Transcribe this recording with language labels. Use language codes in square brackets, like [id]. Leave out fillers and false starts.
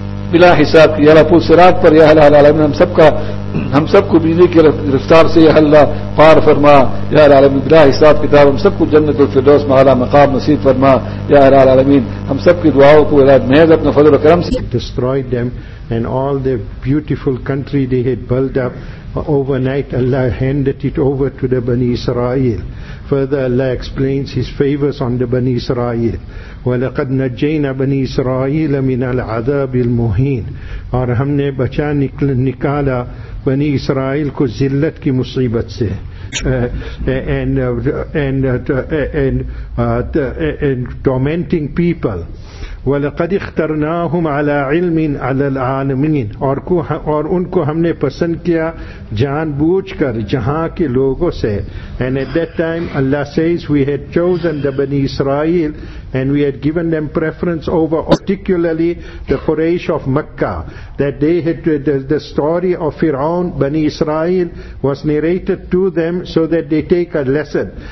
[ur] بلا حساب یا رب الصراط پر یا الہ العالمین ہم سب کو بجلی کی رفتار سے یا اللہ پار فرما یا العالمین بلا حساب کتاب ہم سب کو جنت الفردوس میں اعلی مقام نصیب فرما یا العالمین ہم سب کی دعاؤں کو اللہ محض اپنے فضل و کرم سے [en] destroyed them and all the beautiful country they had built up overnight Allah handed it over to the Bani Israel. Further Allah explains his favors on the Bani Israel. [ar] وَلَقَدْ نَجَّيْنَا بَنِي إِسْرَائِيلَ مِنَ الْعَذَابِ الْمُهِينَ [ur] اور ہم نے بچا نکالا بنی اسرائیل کو ذلت کی مصیبت سے [en] and tormenting people. [ar] وَلَقَدْ اخْتَرْنَاهُمْ عَلَىٰ عِلْمٍ عَلَىٰ الْعَالَمِينَ [ur] اور ان کو ہم نے پسند کیا جان بوجھ کر جہاں کے لوگوں سے. [en] And at that time Allah says we had chosen the Bani Israel and we had given them preference over particularly the Quraysh of Makkah. That they had the story of Fir'aun, Bani Israel was narrated to them so that they take a lesson.